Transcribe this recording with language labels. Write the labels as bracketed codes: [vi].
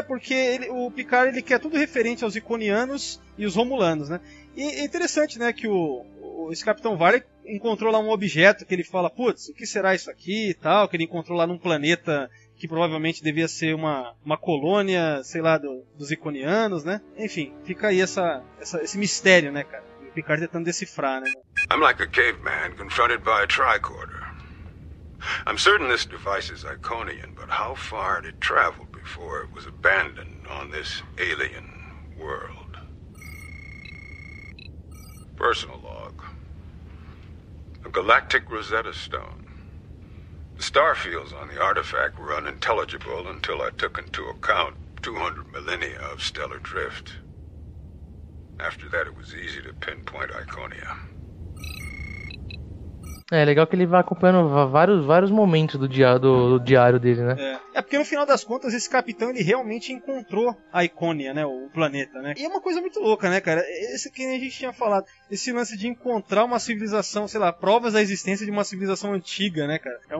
[pt] Porque o Picard, ele quer tudo referente aos Iconianos e os Romulanos, né? E é interessante, né, que esse Capitão Varley encontrou lá um objeto que ele fala, putz, o que será isso aqui e tal, que ele encontrou lá num planeta... que provavelmente devia ser uma colônia, sei lá, dos Iconianos, né? Enfim, fica aí esse mistério, né, cara? O Picard tentando decifrar, né? [en] I'm like a caveman confronted by a tricorder. I'm certain this device is Iconian, but how far did it travel before it was abandoned on this alien world? Personal log. A galactic Rosetta Stone. The star fields on the artifact were unintelligible until I took into account 200 millennia of stellar drift. After that, it was easy to pinpoint Iconia. [pt] É legal que ele vai acompanhando vários momentos do diário dele, né? É porque no final das contas esse capitão ele realmente encontrou a Iconia, né? O planeta, né? E é uma coisa muito louca, né, cara? Esse que a gente tinha falado, esse lance de encontrar uma civilização, sei lá, provas da existência de uma civilização antiga, né, cara?